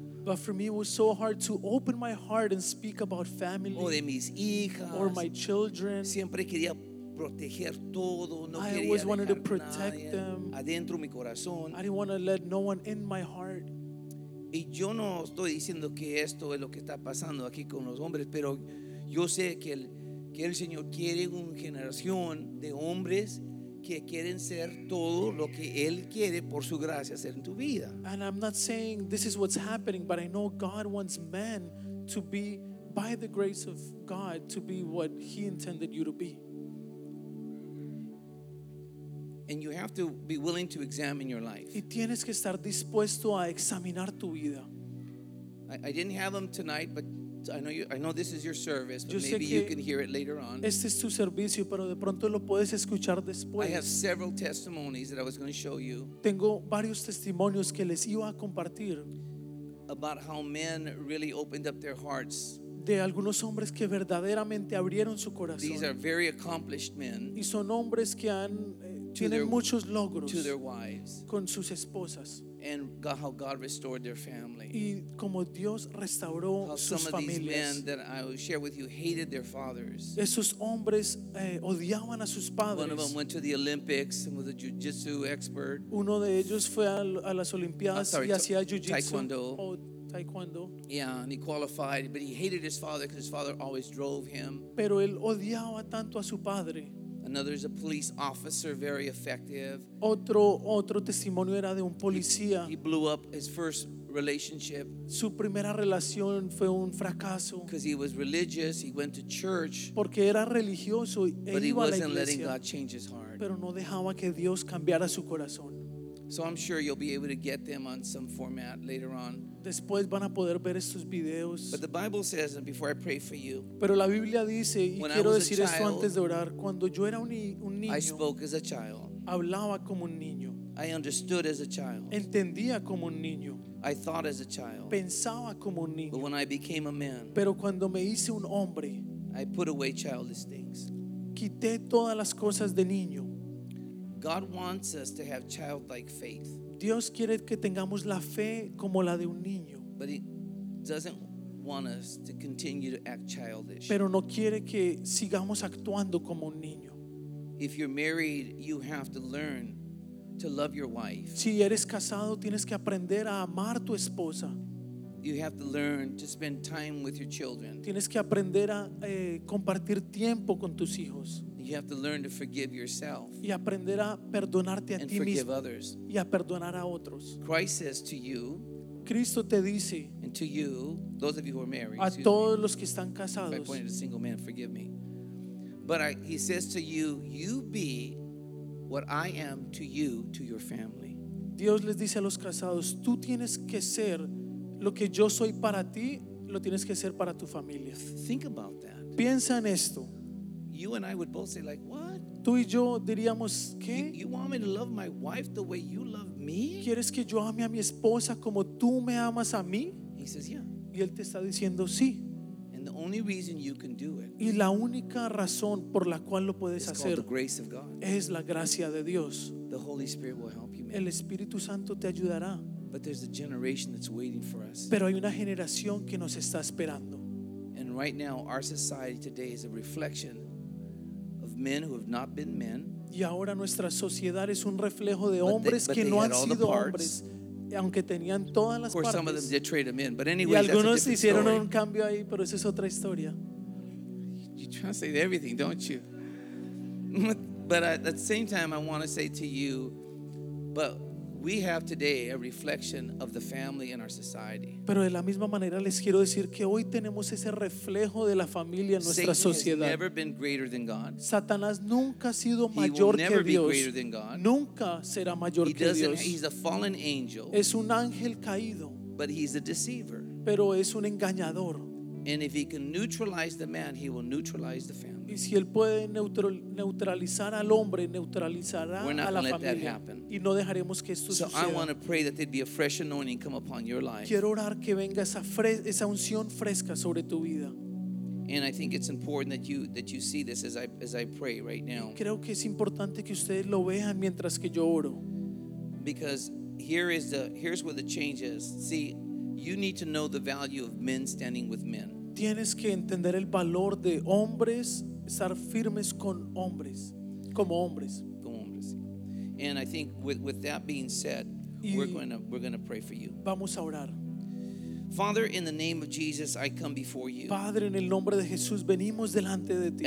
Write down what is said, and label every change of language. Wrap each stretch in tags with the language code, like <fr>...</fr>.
<en>But for me it was so hard to open my heart and speak about family.</en> <es>O de mis hijas.</es> <en>Or my children.</en> <es>Siempre quería proteger todo. No</es> <en>I always wanted to protect them.</en> <es>Adentro mi corazón.</es> <en>I didn't want to let no one in my heart.</en> <es>Y yo no estoy diciendo que esto es lo que está pasando aquí con los hombres, pero yo sé que el Señor quiere una generación de hombres que quieren ser todo lo que Él quiere por su gracia hacer en tu vida.</es> <en>And I'm not saying this is what's happening, but I know God wants men to be, by the grace of God, to be what He intended you to be. And you have to be willing to examine your life.</en> <es>Y tienes que estar dispuesto a examinar tu vida.</es> <en>I didn't have them tonight, but I know this is your service, but</en> <es>yo</es> <en>maybe you can hear it later on.</en> <es>Este es tu servicio, pero de pronto lo puedes escuchar después.</es> <en>I have several testimonies that I was going to show you.</en> <es>Tengo varios testimonios que les iba a compartir.</es> <en>About how men really opened up their hearts.</en> <es>De algunos hombres que verdaderamente abrieron su corazón.</es> <en>These are very accomplished men.</en> <es>Y son hombres que han tienen muchos logros.</es> <en>To their wives.</en> <es>Con sus esposas.</es> <en>And how God restored their family.</en> <es>Y como Dios restauró</es> <en>how</en> <es>sus</es> <en>some</en> <es>familias.</es> <en>Of these men that I will share with you hated their fathers.</en> <es>Esos hombres odiaban a sus padres.</es> <en>One of them went to the Olympics and was a jiu-jitsu expert.</en> <es>Uno de ellos fue a las Olimpiadas y hacía jiu-jitsu.</es> <en>Taekwondo.</en> <es>Taekwondo.</es> <en>Yeah, and he qualified, but he hated his father because his father always drove him.</en> <es>Pero él odiaba tanto a su padre.</es> <en>Another is a police officer, very effective.</en> <es>Otro testimonio era de un policía.</es> <en>He blew up his first relationship.</en> <es>Su primera relación fue un fracaso.</es> <en>Because he was religious, he went to church.</en> <es>Porque era religioso, él iba a la iglesia.</es> <en>But he wasn't letting God change his heart.</en> <es>Pero no dejaba que Dios cambiara su corazón.</es> <en>So I'm sure you'll be able to get them on some format later on.</en> <es>Después van a poder ver estos videos.</es> <en>But the Bible says, and before I pray for you,</en> <es>pero la Biblia dice, y quiero decir esto antes de orar, cuando yo era un niño,</es> <en>I spoke as a child.</en> <es>Hablaba como un niño.</es> <en>I understood as a child.</en> <es>Entendía como un niño.</es> <en>I thought as a child.</en> <es>Pensaba como un niño.</es> <en>But when I became a man,</en> <es>pero cuando me hice un hombre,</es> <en>I put away childish things.</en> <es>Quité todas las cosas de niño.</es> <en>God wants us to have childlike faith.</en> <es>Dios quiere que tengamos la fe como la de un niño.</es> <en>But he doesn't want us to continue to act childish.</en> <es>Pero no quiere que sigamos actuando como un niño.</es> <en>If you're married, you have to learn to love your wife.</en> <es>Si eres casado, tienes que aprender a amar tu esposa.</es> <en>You have to learn to spend time with your children.</en> <es>Tienes que aprender a compartir tiempo con tus hijos.</es> <en>You have to learn to forgive yourself</en> <es>y aprender a perdonarte a</es> <en>and</en> <es>ti</es> <en>forgive</en> <es>mismo</es> <en>others.</en> <es>Y a perdonar a otros.</es> <en>Christ says to you,</en> <es>Cristo te dice,</es> <en>and to you, those of you who are married,</en> <es>a todos los que están casados,</es> <en>by pointing to single men, forgive me. But he says to you, you be what I am to you, to your family.</en> <es>Dios les dice a los casados, tú tienes que ser lo que yo soy para ti, lo tienes que ser para tu familia.</es> <en>Think about that.</en> <es>Piensa en esto.</es> <en>You and I would both say, like, what?</en> <es>Tú y yo diríamos, ¿qué?</es> <en>You want me to love my wife the way you love me?</en> <es>¿Quieres que yo ame a mi esposa como tú me amas a mí?</es> <en>He says, yeah.</en> <es>Y él te está diciendo, sí.</es> <en>And the only reason you can do it,</en> <es>y la única razón por la cual lo puedes hacer,</es> <en>called the grace of God,</en> <es>es la gracia de Dios.</es> <en>The Holy Spirit will help you, man.</en> <es>El Espíritu Santo te ayudará.</es> <en>But there's a generation that's waiting for us.</en> <es>Pero hay una generación que nos está esperando.</es> <en>And right now, our society today is a reflection men who have not been men.</en> <es>Y ahora nuestra sociedad es un reflejo de hombres que no han sido hombres, aunque tenían todas las partes.</es> <en>Of course, some of them did trade them in, but anyway,</en> <es>y algunos hicieron un cambio ahí, pero esa es otra historia.</es> <en>You translate everything, don't you? But at the same time, I want to say to you, but we have today a reflection of the family in our society.</en> <es>Pero de la misma manera les quiero decir que hoy tenemos ese reflejo de la familia en nuestra sociedad.</es> <en>Has never been greater than God.</en> <es>Satanás nunca ha sido mayor</es> <en>he will never</en> <es>que Dios.</es> <en>Be greater than God.</en> <es>Nunca será mayor</es> <en>he</en> <es>que Dios.</es> <en>He's a fallen angel.</en> <es>Es un ángel caído.</es> <en>But he's a deceiver.</en> <es>Pero es un engañador.</es> <en>And if he can neutralize the man, he will neutralize the family.</en> <es>Y si él puede neutralizar al hombre, neutralizará a la familia.</es> <en>We're not going to let that happen.</en> <es>Y no dejaremos que esto suceda.</es> <en>So I want to pray that there'd be a fresh anointing come upon your life.</en> <es>Quiero orar que venga esa unción fresca sobre tu vida.</es> <en>And I think it's important that you see this as I pray right now.</en> <es>Creo que es importante que ustedes lo vean mientras que yo oro.</es> <en>Because here's where the change is. See, you need to know the value of men standing with men.</en> <es>Tienes que entender el valor de hombres, estar firmes con hombres, como hombres. Como hombres.</es> <en>And I think with that being said, we're going to pray for you.</en> <es>Vamos a orar.</es> <en>Father, in the name of Jesus, I come before you.</en> <es>Padre, en el nombre de Jesús, venimos delante de ti.</es>